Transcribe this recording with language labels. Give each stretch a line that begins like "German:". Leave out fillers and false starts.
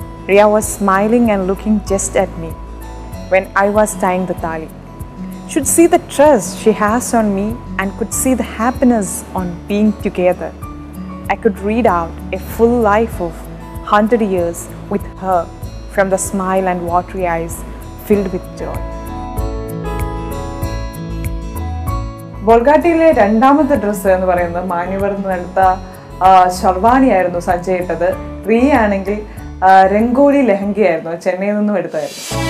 English: Riya was smiling and looking just at me when I was tying the thali. Should see the trust she has on me and could see the happiness on being together. I could read out a full life of 100 years with her. From the smile and watery eyes filled with joy.
Malayalam: ബോൾഗാട്ടിയിലെ രണ്ടാമത്തെ dress എന്ന് പറയുന്നത് മാനിവറിൽ നിന്ന് എടുത്ത ഷർവാണി ആയിരുന്നു സഞ്ജയ് ഇട്ടത്. Re ആണെങ്കിൽ രംഗോലി ലെഹങ്കയായിരുന്നു, ചെന്നൈയിൽ നിന്നും എടുത്തായിരുന്നു.